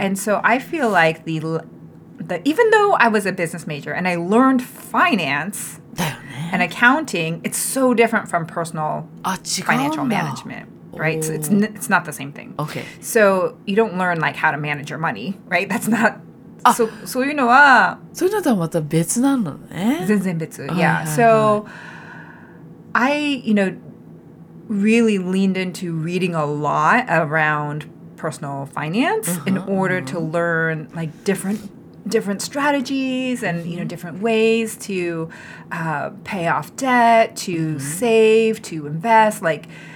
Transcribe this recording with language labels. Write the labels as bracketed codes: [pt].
[en] And so I feel like the even though I was a business major and I learned finance and accounting, it's so different from personal financial management. Right, so it's not the same thing. Okay. So you don't learn like how to manage your money, right? That's not. So you know, [ja] そういうのとはまた別なのね。全然別。 [en] Yeah. So I, you know, really leaned into reading a lot around personal finance in order to learn like different strategies and, you know, different ways to pay off debt, to save, to invest, like.